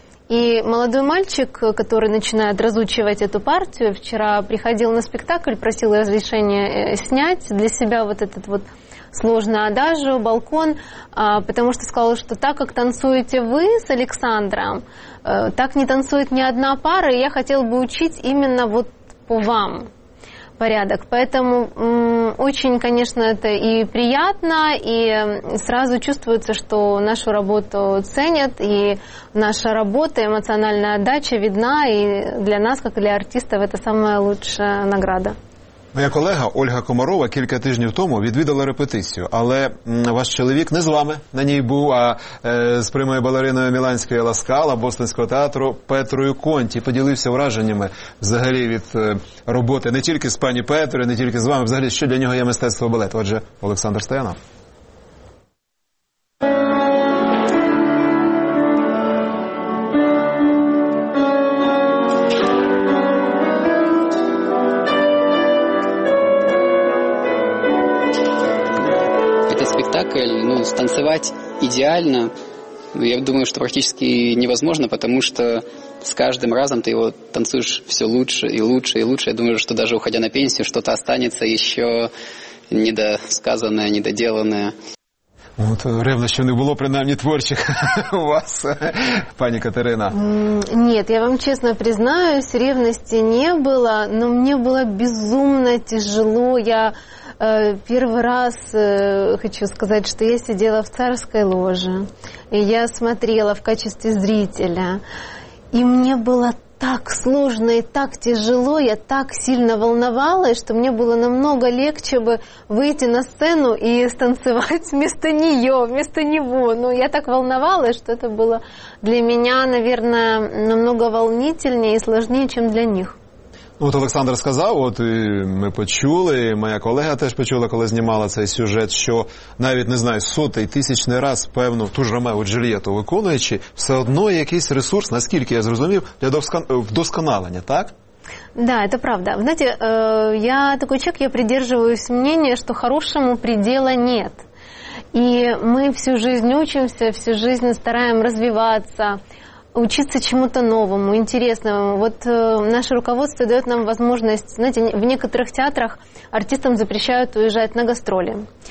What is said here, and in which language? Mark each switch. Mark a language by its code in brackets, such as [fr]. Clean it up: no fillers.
[ru] И молодой мальчик, который начинает разучивать эту партию, вчера приходил на спектакль, просил разрешения снять для себя вот этот вот сложный адажио, балкон, потому что сказал, что так как танцуете вы с Александром, так не танцует ни одна пара, и я хотел бы учить именно вот по вам порядок. Поэтому очень, конечно, это и приятно, и сразу чувствуется, что нашу работу ценят, и наша работа, эмоциональная отдача видна, и для нас, как для артистов, это самая лучшая награда. [uk] Моя колега Ольга Комарова кілька тижнів тому відвідала репетицію, але ваш чоловік не з вами на ній був, а з прямою балериною Міланської Ласкала, Бостонського театру Петрою Конті. Поділився враженнями взагалі від роботи не тільки з пані Петрою, не тільки з вами, взагалі, що для нього є мистецтво балету. Отже, Олександр Стоянов. [ru] это спектакль, ну, станцевать идеально, я думаю, что практически невозможно, потому что с каждым разом ты его танцуешь все лучше и лучше и лучше. Я думаю, что даже уходя на пенсию, что-то останется еще недосказанное, недоделанное. [uk] Вот ревнощів не було, принаймні, творчих у вас, пані Катерина. [ru] Нет, я вам честно признаюсь, ревности не было, но мне было безумно тяжело. Я первый раз хочу сказать, что я сидела в царской ложе, и я смотрела в качестве зрителя, и мне было так сложно и так тяжело, я так сильно волновалась, что мне было намного легче бы выйти на сцену и станцевать вместо нее, вместо него. Но я так волновалась, что это было для меня, наверное, намного волнительнее и сложнее, чем для них. [uk] От Олександр сказав, от ми почули, моя колега теж почула, коли знімала цей сюжет, що навіть, не знаю, сотий, тисячний раз, певно, ту ж Ромео і Джульєту виконуючи, все одно якийсь ресурс, наскільки я зрозумів, для вдосконалення, так? [ru] Да, это правда. Знаете, я такой человек, я придерживаюсь мнения, что хорошему предела нет. И мы всю жизнь учимся, всю жизнь стараем развиваться, учиться чему-то новому, интересному. Вот наше руководство дает нам возможность... Знаете, в некоторых театрах артистам запрещают уезжать на гастроли.